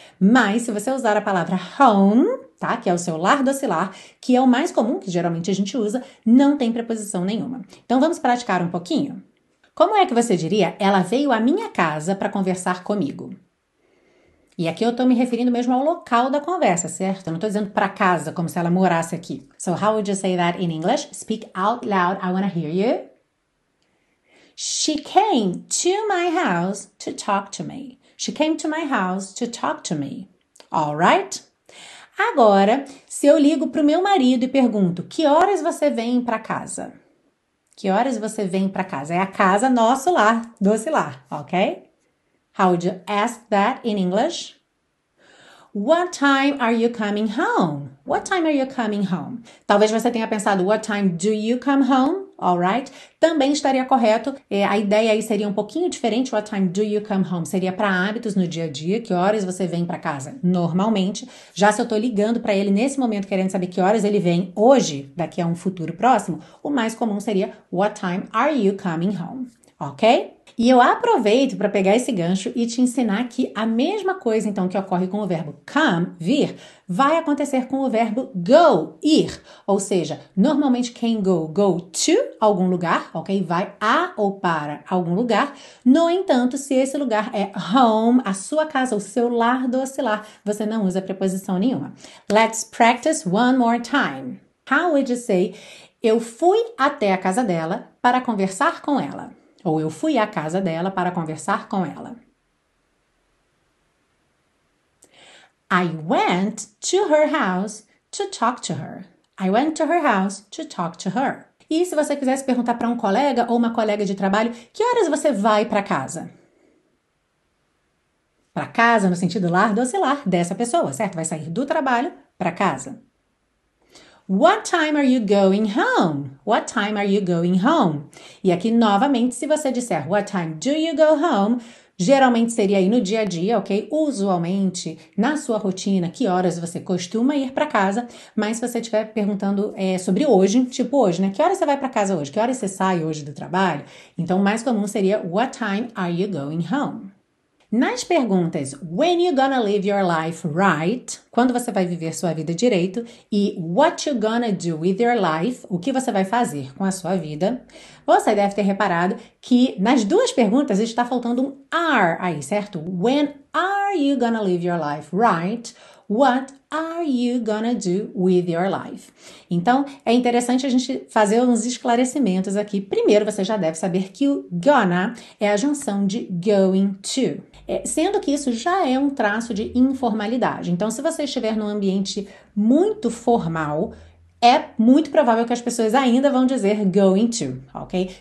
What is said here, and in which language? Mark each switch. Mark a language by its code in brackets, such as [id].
[pt] Mas se você usar a palavra home, tá? Que é o seu lar docilar, que é o mais comum, que geralmente a gente usa, não tem preposição nenhuma. Então vamos praticar um pouquinho? Como é que você diria, ela veio à minha casa para conversar comigo? E aqui eu estou me referindo mesmo ao local da conversa, certo? Eu não estou dizendo para casa, como se ela morasse aqui. [en] So, how would you say that in English? Speak out loud, I want to hear you. She came to my house to talk to me. She came to my house to talk to me. All right? [pt] Agora, se eu ligo para o meu marido e pergunto, que horas você vem para casa? Que horas você vem para casa? É a casa, nosso lar, doce lar, ok? [en] How would you ask that in English? What time are you coming home? What time are you coming home? [pt] Talvez você tenha pensado, [en] what time do you come home? All right. [pt] Também estaria correto. A ideia aí seria um pouquinho diferente. [en] What time do you come home? [pt] Seria para hábitos no dia a dia. Que horas você vem para casa? Normalmente. Já se eu estou ligando para ele nesse momento, querendo saber que horas ele vem hoje, daqui a um futuro próximo, o mais comum seria, [en] what time are you coming home? [pt] Ok? E eu aproveito para pegar esse gancho e te ensinar que a mesma coisa, então, que ocorre com o verbo come, vir, vai acontecer com o verbo go, ir. Ou seja, normalmente quem go, go to algum lugar, ok? Vai a ou para algum lugar. No entanto, se esse lugar é home, a sua casa, o seu lar doce lar, você não usa preposição nenhuma. [en] Let's practice one more time. How would you say, [pt] eu fui até a casa dela para conversar com ela? Ou eu fui à casa dela para conversar com ela. [en] I went to her house to talk to her. I went to her house to talk to her. [pt] E se você quisesse perguntar para um colega ou uma colega de trabalho, que horas você vai para casa? Para casa, no sentido lar, doce lar, dessa pessoa, certo? Vai sair do trabalho para casa. [en] What time are you going home? What time are you going home? [pt] E aqui, novamente, se você disser [en] what time do you go home, [pt] geralmente seria aí no dia a dia, ok? Usualmente, na sua rotina, que horas você costuma ir para casa. Mas se você estiver perguntando sobre hoje, tipo hoje, né? Que horas você vai para casa hoje? Que horas você sai hoje do trabalho? Então, o mais comum seria [en] what time are you going home? [pt] Nas perguntas [en] when you gonna live your life right, [pt] quando você vai viver sua vida direito, e [en] what you gonna do with your life, [pt] o que você vai fazer com a sua vida, você deve ter reparado que nas duas perguntas está faltando um are aí, certo? [en] When are you gonna live your life right? What are you gonna do with your life? [pt] Então, é interessante a gente fazer uns esclarecimentos aqui. Primeiro, você já deve saber que o gonna é a junção de going to. Sendo que isso já é um traço de informalidade. Então, se você estiver num ambiente muito formal, é muito provável que as pessoas ainda vão dizer going to, ok?